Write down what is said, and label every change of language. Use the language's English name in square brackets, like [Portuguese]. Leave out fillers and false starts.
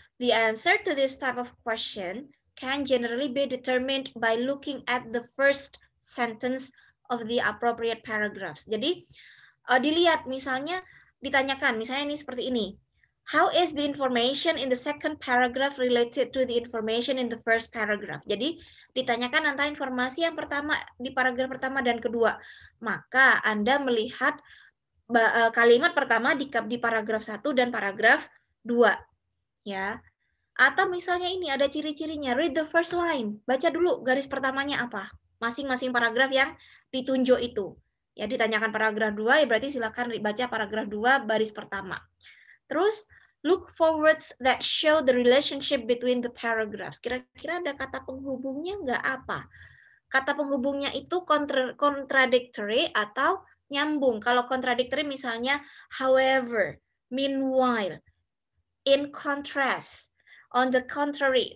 [English] The answer to this type of question can generally be determined by looking at the first sentence of the appropriate paragraphs. [Indonesian] Jadi dilihat misalnya ditanyakan misalnya ini seperti ini. [English] How is the information in the second paragraph related to the information in the first paragraph? [Indonesian] Jadi ditanyakan antara informasi yang pertama di paragraf pertama dan kedua. Maka Anda melihat kalimat pertama di paragraf 1 dan paragraf 2 ya. Atau misalnya ini ada ciri-cirinya, [English] read the first line. [Indonesian] Baca dulu garis pertamanya apa? Masing-masing paragraf yang ditunjuk itu. Ya, ditanyakan paragraf 2 ya berarti silakan baca paragraf 2 baris pertama. Terus [English] look for words that show the relationship between the paragraphs. [Indonesian] Kira-kira ada kata penghubungnya enggak apa? Kata penghubungnya itu contradictory atau nyambung. Kalau contradictory misalnya [English] however, meanwhile, in contrast, on the contrary.